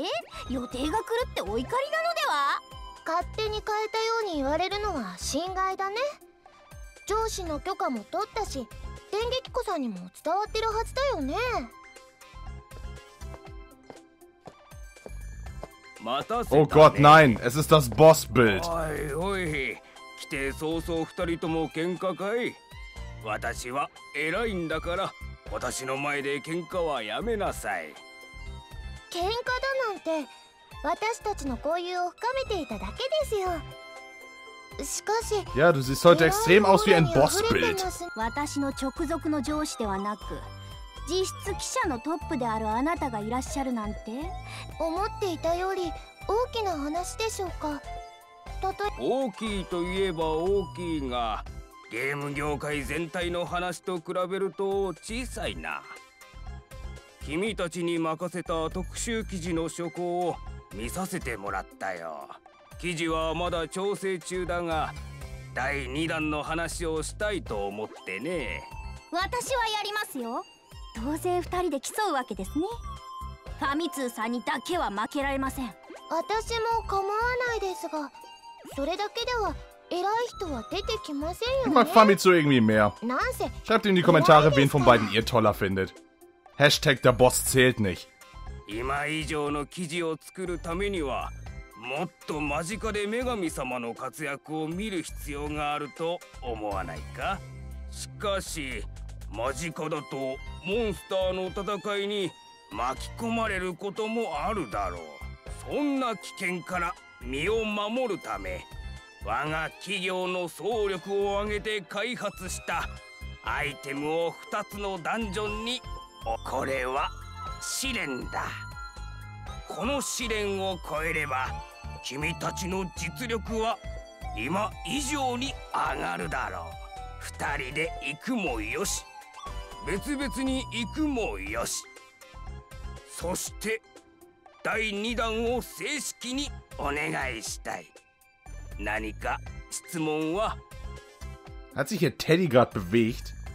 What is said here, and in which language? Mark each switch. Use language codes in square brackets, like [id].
[ja] ファミツーさん、お久しぶりですね。うん、直接会うのは久しぶりだね。電撃子さんも上司に呼ばれたのかな。まったくです。上司の方々は私を眠らせない気ですか。しかしファミツーさんも呼ばれたということは、メッツナオに四女神様の特集にすればいいものを、ファミツーさんが女神候補生に変えたせいで予定が狂ってお怒りなのでは。勝手に変えたように言われるのは心外だね。上司の許可も取ったし、電撃子さんにも伝わってるはずだよね。待たせたね。 [de] Oh Gott, nein, es ist das Bossbild. [ja] おいおい、来て早々二人とも喧嘩かい。私は偉いんだから、私の前で喧嘩はやめなさい。喧嘩だなんて、私たちの交友を深めていただけですよ。しかし、 [de] Ja, du siehst heute extrem aus wie ein Bossbild. [ja] 私の直属の上司ではなく、実質記者のトップであるあなたがいらっしゃるなんて、思っていたより大きな話でしょうか。たとえ大きいといえば大きいが、ゲーム業界全体の話と比べると小さいな。君たちに任せた特集記事の書稿を見させてもらったよ。記事はまだ調整中だが、第2弾の話をしたいと思ってね。私はやりますよ。どうせ2人で競うわけですね。ファミ通さんにだけは負けられません。私も構わないですが、それだけでは偉い人は出てきませんよね。 [de] Ich mag Famitsu irgendwie mehr. [ja] なんせ、 [de] Schreibt in die Kommentare, wen von beiden ihr toller findet. Hashtag der Boss zählt nicht. [ja] 今以上の記事を作るためには、もっと間近で女神様の活躍を見る必要があると思わないか。しかし間近だとモンスターの戦いに巻き込まれることもあるだろう。そんな危険から身を守るため、我が企業の総力を挙げて開発したアイテムを2つのダンジョンに、これは試練だ。この試練を超えれば君たちの実力は今以上に上がるだろう。 2人で行くもよし、別々に行くもよし。そして第2弾を正式にお願いしたい。何か質問は？ [de] Hat sich ihr Teddy gerade bewegt?